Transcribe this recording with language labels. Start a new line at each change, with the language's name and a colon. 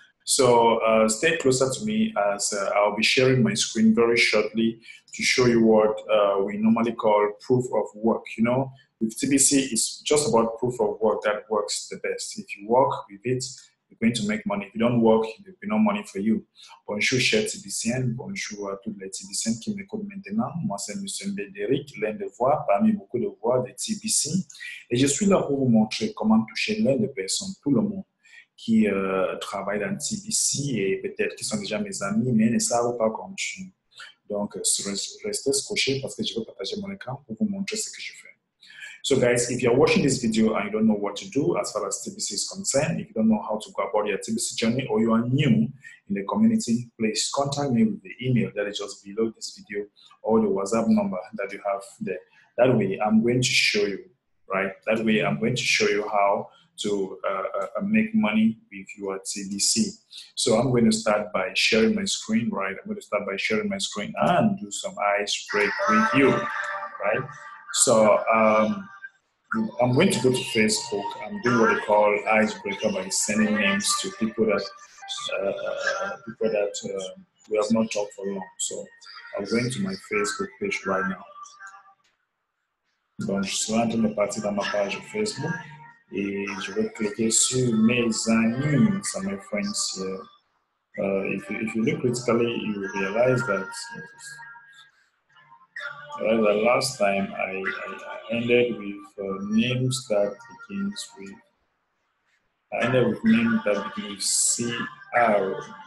English: So stay closer to me as I'll be sharing my screen very shortly to show you what we normally call proof of work, you know. With TBC, it's just about proof of work that works the best. If you work with it, you're going to make money. If you don't work, there'll be no money for you.
French: Bonjour, cher TBCN. Bonjour à tous les TBCN qui m'écoutent maintenant. Moi, c'est Monsieur mbehderick, l'un des voix parmi beaucoup de voix de TBC. Et je suis là pour vous montrer comment toucher l'un des personnes, tout le monde, qui travaille dans TBC et peut-être qui sont déjà mes amis, mais ne savent pas comment je suis. Donc, restez scotchés parce que je vais partager mon écran pour vous montrer ce que je fais.
English: So guys, if you're watching this video and you don't know what to do as far as TBC is concerned, if you don't know how to go about your TBC journey, or you are new in the community, please contact me with the email that is just below this video or the WhatsApp number that you have there. That way, I'm going to show you, right? That way, I'm going to show you how to make money if you are TBC. So I'm going to start by sharing my screen, right? I'm going to start by sharing my screen and do some icebreak with you, right? So I'm going to go to Facebook and do what they call icebreaker by sending names to people that we have not talked for long. So I'm going to my Facebook page right now.
French: Bonjour, je suis en partie dans ma page de Facebook et je vais cliquer sur mes amis,
English: so my friends. If you look critically, you will realize that. Well, the last time I ended with names that begin with C R.